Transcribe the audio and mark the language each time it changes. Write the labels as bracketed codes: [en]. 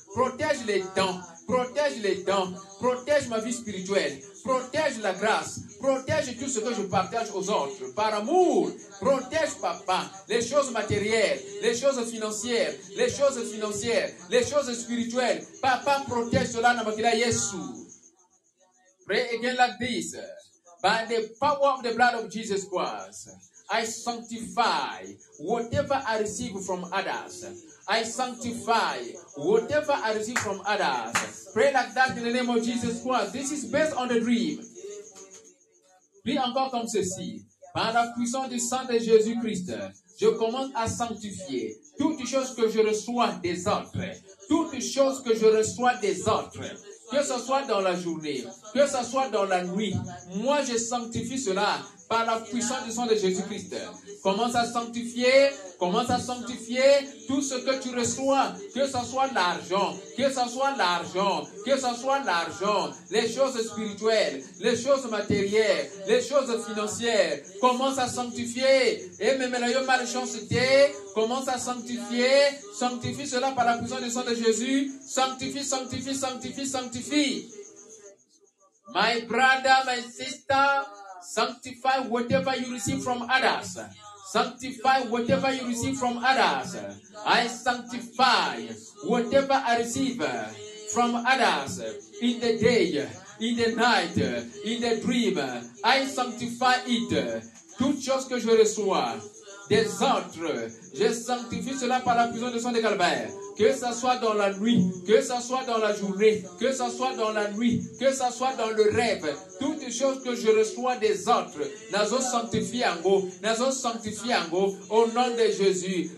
[fr] Protège les dents. Protège les dents. Protège ma vie spirituelle. Protège la grâce. Protège tout ce que je partage aux autres par amour. Protège, papa, les choses matérielles, les choses financières, les choses financières, les choses spirituelles. Papa, protège cela dans ma vie, Jésus. [en] Pray again like this. By the power of the blood of Jesus Christ, I sanctify whatever I receive from others. I sanctify whatever I receive from others. Pray like that in the name of Jesus Christ. This is based on the dream. [fr] Prie encore comme ceci. Par la puissance du sang de Jésus Christ, je commence à sanctifier toutes choses que je reçois des autres. Toutes choses que je reçois des autres. Que ce soit dans la journée, que ce soit dans la nuit, moi je sanctifie cela par la puissance du sang de Jésus-Christ. Commence à sanctifier tout ce que tu reçois, que ce soit l'argent, que ce soit l'argent, que ce soit l'argent, les choses spirituelles, les choses matérielles, les choses financières. Commence à sanctifier. Et même la malchanceté, commence à sanctifier. Sanctifie cela par la puissance du sang de Jésus. Sanctifie, sanctifie, sanctifie, sanctifie. [en] My brother, my sister, sanctify whatever you receive from others. Sanctify whatever you receive from others. I sanctify whatever I receive from others in the day, in the night, in the dream. I sanctify it. [fr] Toutes choses que je reçois des autres, je sanctifie cela par la puissance du sang de Calvaire. Que ce soit dans la nuit, que ce soit dans la journée, que ce soit dans la nuit, que ce soit dans le rêve, toutes choses que je reçois des autres, [ln] nazo sanctifiango, [fr] au nom de Jésus.